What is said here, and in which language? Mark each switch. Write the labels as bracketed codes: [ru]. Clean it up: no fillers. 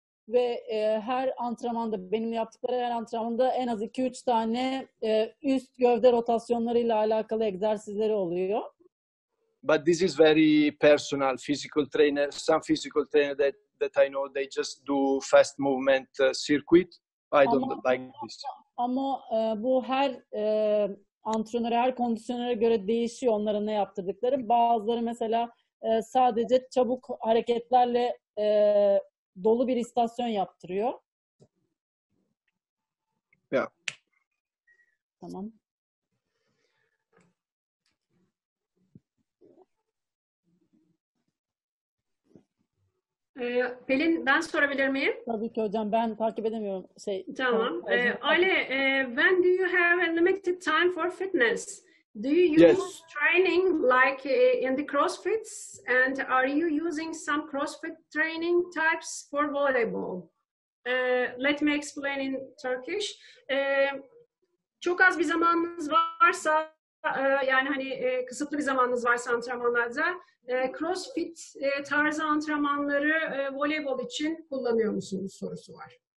[tr] Ve her antrenmanda, benim yaptıkları her antrenmanda en az 2-3 tane üst gövde rotasyonlarıyla alakalı egzersizleri oluyor. [en] But this is very personal. Physical trainer, some physical trainer that I know, they just do fast movement circuit. I don't like this. [tr] Ama bu her antrenöre, her kondisyonere göre değişiyor onların ne yaptırdıkları. Bazıları mesela sadece çabuk hareketlerle dolu bir istasyon yaptırıyor. [en] Yeah. [tr] Tamam. Pelin, ben sorabilir miyim? Tabii ki hocam, ben takip edemiyorum. Tamam. [en] Ali, when do you have a limited time for fitness? Do you use yes. training like in the CrossFits? And are you using some CrossFit training types for volleyball? Let me explain in Turkish. [tr] Çok az bir zamanınız varsa, yani hani kısıtlı bir zamanınız varsa antrenmanlarda, CrossFit tarzı antrenmanları voleybol için kullanıyor musunuz sorusu var.